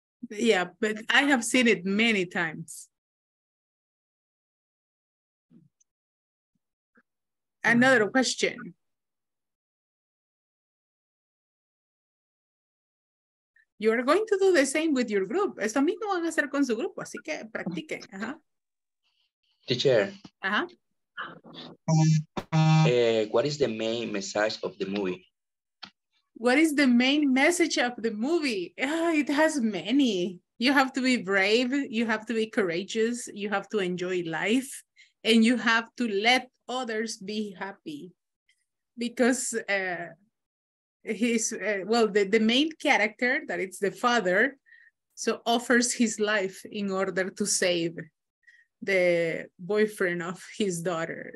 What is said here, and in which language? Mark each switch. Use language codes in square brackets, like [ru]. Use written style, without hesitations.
[en] Yeah, but I have seen it many times. Another question. You are going to do the same with your group. [es] Esto mismo van a hacer con su grupo, así que practiquen. [en] Teacher. Uh-huh. What is the main message of the movie? What is the main message of the movie? It has many. You have to be brave. You have to be courageous. You have to enjoy life. And you have to let others be happy. Because the main character, that it's the father, so offers his life in order to save the boyfriend of his daughter.